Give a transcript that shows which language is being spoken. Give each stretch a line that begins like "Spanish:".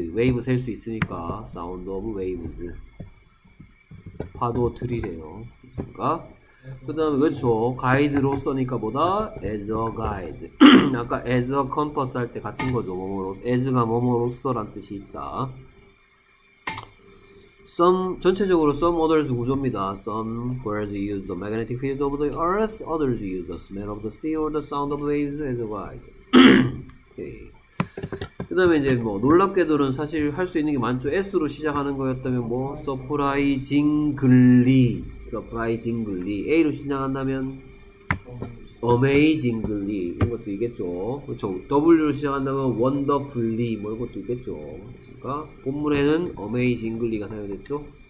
Korean: Wave 셀수 있으니까
English: sound of waves.
Korean: 파도 틀이래요. 그러니까 그 다음에 그렇죠. 가이드로 써니까 뭐다? as a guide. 아까 as a compass 할때 같은 거죠. 뭐뭐로, as가 뭐뭐로서란 뜻이 있다. some, 전체적으로 some others 구조입니다.
English: some birds use the magnetic field of the earth, others use the smell of the sea or the sound of waves as a guide. 오케이.
Korean: 그 다음에 이제 뭐 놀랍게도는 사실 할수 있는 게 많죠. s로 시작하는 거였다면 뭐 surprisingly, surprisingly. A로 시작한다면 amazingly 이런 것도 있겠죠. 그렇죠. W로 시작한다면 wonderfully 뭐 이런 것도 있겠죠. 그러니까 본문에는 amazingly가 사용됐죠.